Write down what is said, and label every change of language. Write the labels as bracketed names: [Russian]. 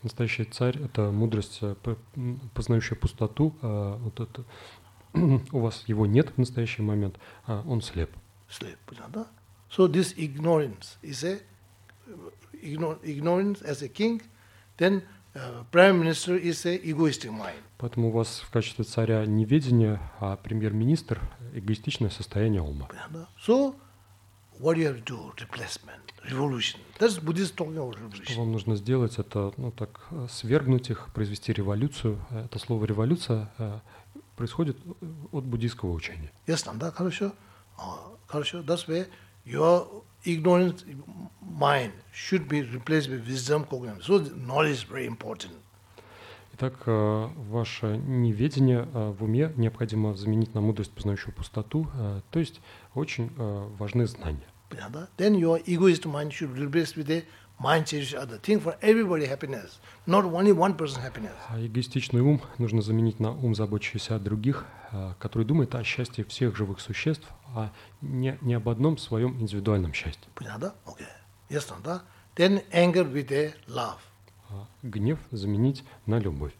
[Russian] Настоящий царь — это мудрость, познающая пустоту. Вот это, у вас его нет в настоящий момент, а он слеп. [English] Sleep, [Russian] понял, да? [English] So this ignorance is a ignorance as a king, then prime minister is a egoistic mind. [Russian] Поэтому у вас в качестве царя неведение, а премьер-министр — эгоистичное состояние ума. Понял, да? [English] So what do you have to do? Replacement, revolution. That's Buddhist talking about revolution. [Russian] Что вам нужно сделать? Это, ну так, свергнуть их, произвести революцию. Это слово революция происходит от буддийского учения. Ясно, да? Хорошо. Хорошо, [English] that's where your ignorant mind should be replaced with wisdom, cognition. So knowledge is very important. [Russian] Итак, ваше неведение в уме необходимо заменить на мудрость, познающую пустоту. То есть очень важны знания. Понятно, да? [English] Then your egoist mind should be replaced with a mind cherishing other thing for everybody happiness, not only one person happiness. [Russian] Эгоистичный ум нужно заменить на ум, заботящийся о других, который думает о счастье всех живых существ, а не об одном своем индивидуальном счастье. Понятно, да? [English] Okay. [Russian] Ясно, да? [English] Then anger with a love. [Russian] Гнев заменить на любовь.